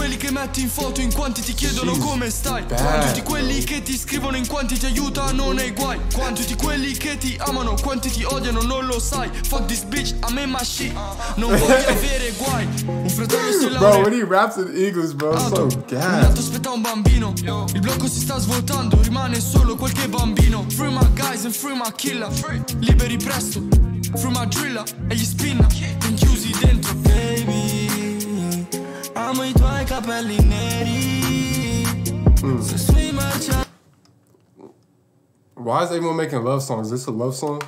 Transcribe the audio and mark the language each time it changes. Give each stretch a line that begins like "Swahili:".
Italian: Metti in foto in quanti ti chiedono come stai. Tutti quelli che ti scrivono in quanti ti aiutano nei guai. Tutti quelli che ti amano, quanti ti odiano, non lo sai.
English: Fuck this bitch, I'm in my shit.
Italian: Non voglio avere guai. Un fratello si laurea.
English: Bro, when he raps in English, bro, I'm so gas.
Italian: Mi aspetta un bambino. Il blocco si sta svuotando, rimane solo qualche bambino.
English: Free my guys and free my killer.
Italian: Liberi presto.
English: Free my driller
Italian: e gli spinna. Inchiusi dentro, baby.
English: Why is everyone making love songs? Is this a love song?